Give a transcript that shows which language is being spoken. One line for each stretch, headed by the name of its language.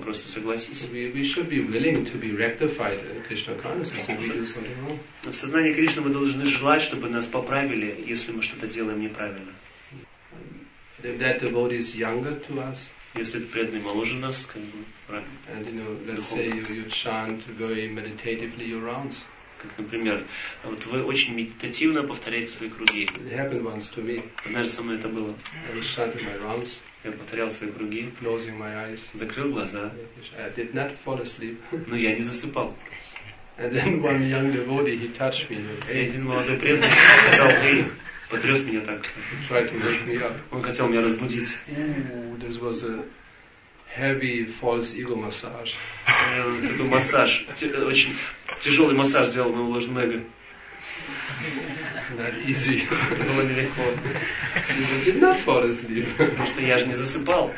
Russian: Просто согласись.
English: We should be willing to be rectified in Krishna consciousness if we do something wrong.
Russian: В сознании Кришны мы должны желать, чтобы нас поправили, если мы что-то делаем неправильно.
English: If that devotee is younger to us.
Russian: Если этот преданный моложе нас, как бы, правильно.
English: And, you know, let's say you chant very meditatively your rounds.
Russian: Как, например, вот вы очень медитативно повторяете свои круги.
English: It happened once to me.
Russian: Однажды со мной это было.
English: I was chanting my rounds.
Russian: Я повторял свои круги.
English: Closing my eyes.
Russian: Закрыл глаза.
English: I did not fall asleep.
Russian: Но я не засыпал.
English: And then one young devotee, he touched me.
Russian: И один молодой преданный сказал, эй, потряс меня так.
English: Tried to wake me up.
Russian: Он хотел меня разбудить.
English: Ooh, this was a heavy false ego massage.
Russian: Такой массаж, очень тяжелый массаж сделал моего ложного эго.
English: Not easy.
Russian: Было нелегко.
English: Did not fall asleep.
Russian: Потому что я же не засыпал.